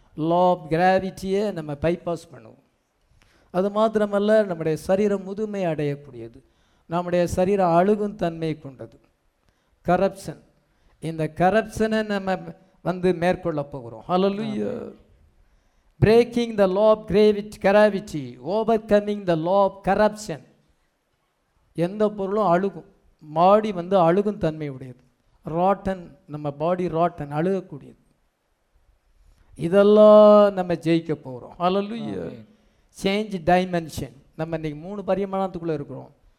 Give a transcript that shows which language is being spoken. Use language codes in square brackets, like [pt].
[ta] Law of கிராவிட்டியை நம்ம bypass பண்ணுவோம். அது மாத்திரமல்ல, நம்முடைய சரீரம் முதுமை அடையக்கூடியது, நம்முடைய சரீரம் அழுகும் தன்மை கொண்டது. கரப்ஷன், இந்த கரப்ஷனை நம்ம வந்து மேற்கொள்ள போகிறோம். ஹல்லேலூயா. [en] Breaking the law of gravity, overcoming the law of corruption. [ta] எந்த பொருளும் அழுகும், பாடி வந்து அழுகும் தன்மை உடையது. ராட்டன், நம்ம பாடி ராட்டன், அழுகக்கூடியது. இதெல்லாம் நம்ம ஜெயிக்க போகிறோம். ஹல்லேலூயா. Change dimension. நம்ம இன்னைக்கு மூணு பரிமாணத்துக்குள்ளே இருக்கிறோம்.